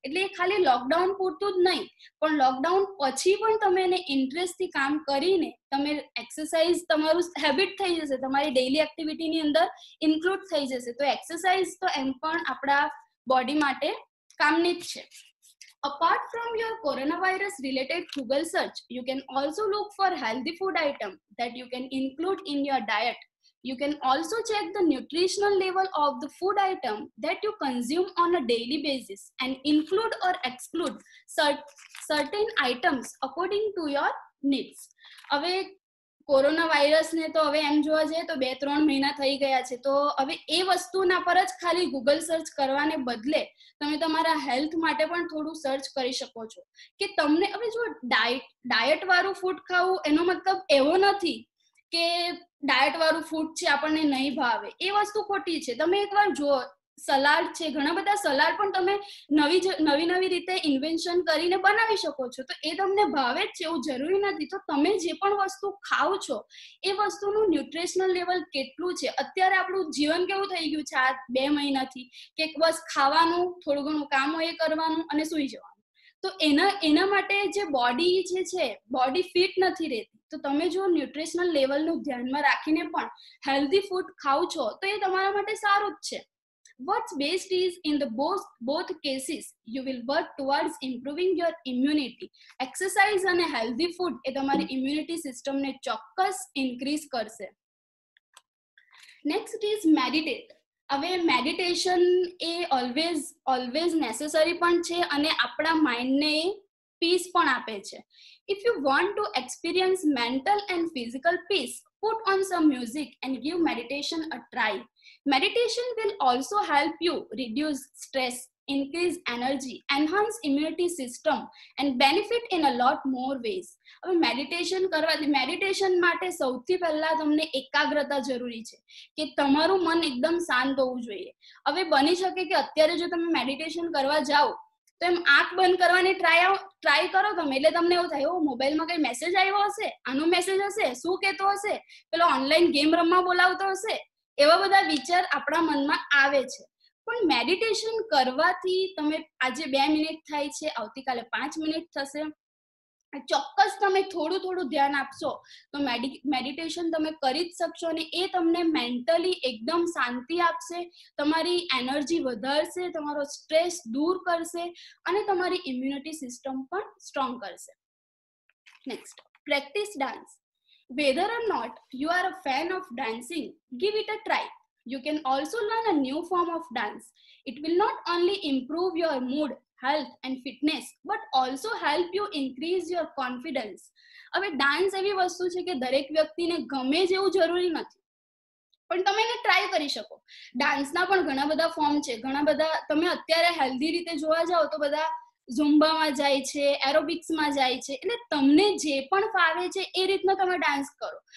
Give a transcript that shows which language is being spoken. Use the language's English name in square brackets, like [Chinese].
[Gujarati] એટલે એ ખાલી લોકડાઉન પૂરતું જ નહીં, પણ લોકડાઉન પછી પણ તમે એને ઇન્ટરેસ્ટથી કામ કરીને તમે એક્સરસાઇઝ તમારું હેબિટ થઈ જશે, તમારી ડેઇલી એક્ટિવિટીની અંદર ઇન્ક્લુડ થઈ જશે. તો એક્સરસાઇઝ તો એમ પણ આપણા બોડી માટે કામની જ છે. [English] Apart from your coronavirus related Google search, you can also look for healthy food item that you can include in your diet. You can also check the nutritional level of the food item that you consume on a daily basis and include or exclude certain items according to your needs. [Gujarati] હવે coronavirus ને તો હવે એમ જોવા જઈએ તો 2-3 મહિના થઈ ગયા છે. તો હવે એ વસ્તુના પર જ ખાલી ગૂગલ સર્ચ કરવાને બદલે તમે તમારા હેલ્થ માટે પણ થોડું સર્ચ કરી શકો છો કે તમને હવે જો ડાયટ વાળું ફૂડ ખાવું એનો મતલબ એવો નથી કે ડાયટ વાળું ફૂડ છે આપણને નહીં ભાવે, એ વસ્તુ ખોટી છે. તમે એકવાર જુઓ સલાડ છે, ઘણા બધા સલાડ પણ તમે નવી રીતે ઇન્વેન્શન કરીને બનાવી શકો છો, તો એ તમને ભાવે જ છે એવું જરૂરી નથી. તો તમે જે પણ વસ્તુ ખાઓ છો એ વસ્તુનું ન્યુટ્રિશનલ લેવલ કેટલું છે. અત્યારે આપણું જીવન કેવું થઈ ગયું છે આ 2 મહિનાથી કે બસ ખાવાનું, થોડું ઘણું કામ હોય કરવાનું અને સુઈ જવાનું. તો એના માટે જે બોડી છે બોડી ફિટ નથી રહેતી. તો તમે જો ન્યુટ્રિશનલ લેવલનું ધ્યાનમાં રાખીને પણ હેલ્ધી ફૂડ ખાઓ છો તો એ તમારા માટે સારું જ છે. [English] What's best is in the both cases you will work towards improving your immunity. Exercise and a healthy food [Gujarati] એ તમારી immunity system ને ચોક્કસ increase કરશે. [English] Next is meditate. [Gujarati] હવે meditation એ [English] always necessary [Gujarati] પણ છે અને આપણા mind ને peace પણ આપે છે. [English] If you want to experience mental and physical peace, put on some music and give meditation a try. Meditation will also help you reduce stress, increase energy, enhance immunity system and benefit in a lot more ways. [Gujarati] હવે meditation કરવાથી meditation માટે સૌથી પહેલા તમને એકાગ્રતા જરૂરી છે કે તમારું મન એકદમ શાંત હોવું જોઈએ. હવે બની શકે કે અત્યારે જો તમે મેડિટેશન કરવા જાઓ તો એમ આંખ બંધ કરવાની ટ્રાય કરો તમે, એટલે તમને એવું થાય મોબાઈલમાં કઈ મેસેજ આવ્યો હશે, આનો મેસેજ હશે, શું કહેતો હશે, પેલો ઓનલાઈન ગેમ રમવા બોલાવતો હશે, એવા બધા વિચાર આપણા મનમાં આવે છે. પણ મેડિટેશન કરવાથી તમે આજે 2 મિનિટ થાય છે, આવતીકાલે 5 મિનિટ થશે, ચોક્કસ તમે થોડું ધ્યાન આપશો તો મેડિટેશન તમે કરી જ શકશો અને એ તમને મેન્ટલી એકદમ શાંતિ આપશે, તમારી એનર્જી વધારશે, તમારો સ્ટ્રેસ દૂર કરશે અને તમારી ઇમ્યુનિટી સિસ્ટમ પણ સ્ટ્રોંગ કરશે. [English] Next, practice dance. Whether or not you are a fan of dancing, give it a try. You can also learn a new form of dance. It will not only improve your mood, health and fitness, but also help you increase your confidence. [Gujarati] હવે dance એવી વસ્તુ છે કે દરેક વ્યક્તિને ગમે જ એવું જરૂરી નથી, પણ તમે એને ટ્રાય કરી શકો. ડાન્સના પણ ઘણા બધા ફોર્મ છે, ઘણા બધા તમે અત્યારે હેલ્ધી રીતે જોવા જાઓ તો બધા ઝુમ્બામાં જાય છે, એરોબિક્સમાં જાય છે, એટલે તમને જે પણ ફાવે છે એ રીતનો તમે ડાન્સ કરો.